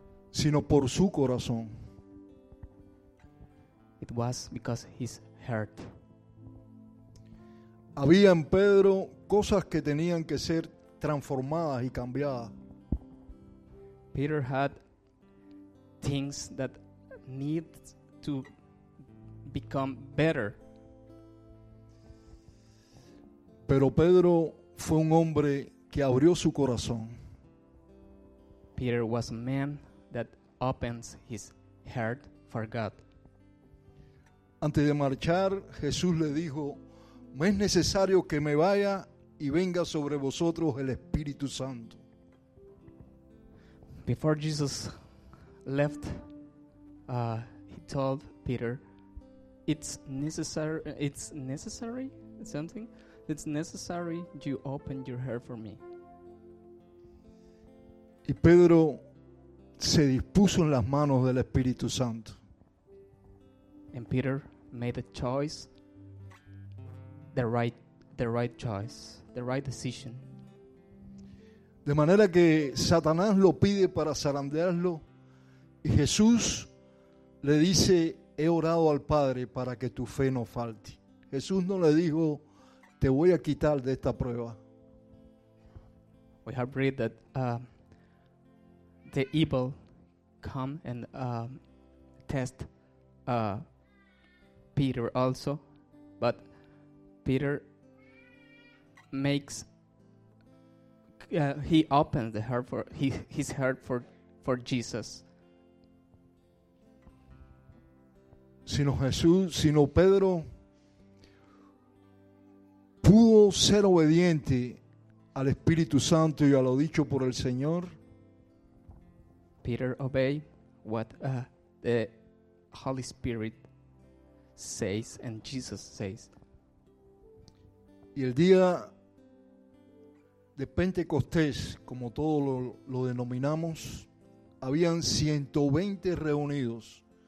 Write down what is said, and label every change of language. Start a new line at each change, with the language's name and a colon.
Spanish: Sino por su corazón.
English: It was because his heart.
Spanish: Había en Pedro cosas que tenían que ser transformadas y cambiadas.
English: Peter had things that need to become better.
Spanish: Pero Pedro fue un hombre que abrió su corazón.
English: Peter was a man that opens his heart for God.
Spanish: Antes de marchar, Jesús le dijo, me es necesario que me vaya y venga sobre vosotros el Espíritu Santo.
English: Before Jesus left, he told Peter, it's necessary you open your heart for me.
Spanish: Y Pedro se dispuso en las manos del Espíritu Santo.
English: And Peter made a choice, the right decision.
Spanish: De manera que Satanás lo pide para zarandearlo y Jesús le dice, he orado al Padre para que tu fe no falte. Jesús no le dijo, te voy a quitar de esta prueba.
English: We have read that the evil come and test Peter also, but Peter makes he opened the heart for his heart for Jesus.
Spanish: Sino Pedro pudo ser obediente al Espíritu Santo y a lo dicho por el Señor.
English: Peter obey what the Holy Spirit says and Jesus says.
Spanish: Y el día de Pentecostés, como todos lo denominamos, habían 120 reunidos.